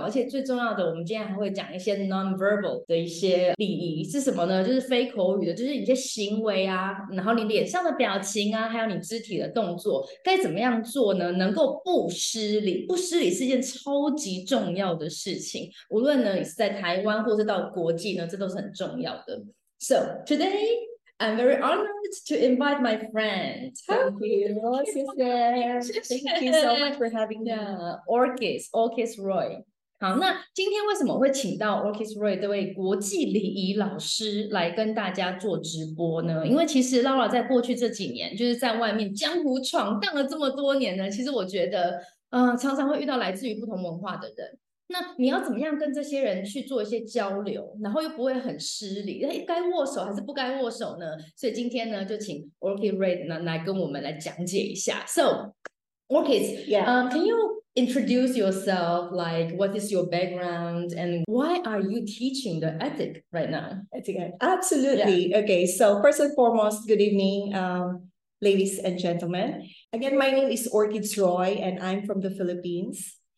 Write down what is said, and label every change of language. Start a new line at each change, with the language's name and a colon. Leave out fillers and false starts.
Chinese: 而且最重要的，我们今天还会讲一些 non-verbal 的一些礼仪是什么呢？就是非口语的，就是你一些行为啊，然后你脸上的表情啊，还有你肢体的动作，该怎么样做呢？能够不失礼，不失礼是一件超级重要的事情。无论呢你是在台湾或是到国际呢，这都是很重要的。
English: So today I'm very honored to invite my friend. Thank you.
Spanish: Gracias.
English: Thank you so much for having me. Orchis Roy。
Chinese: 好，那今天为什么会请到 Orchis Roy 这位国际礼仪老师来跟大家做直播呢？因为其实 Laura 在过去这几年，就是在外面江湖闯荡了这么多年呢，其实我觉得，常常会遇到来自于不同文化的人。那你要怎么样跟这些人去做一些交流，然后又不会很失礼？该握手还是不该握手呢？所以今天呢，就请 Orchis Roy 来跟我们来讲解一下。
English: So, Orchis, can you introduce yourself? Like, what is your background and why are you teaching the ethic right now? I think absolutely. Okay, so first and foremost, good evening, ladies and gentlemen. Again, my name is Orchis Roy, and I'm from the Philippines.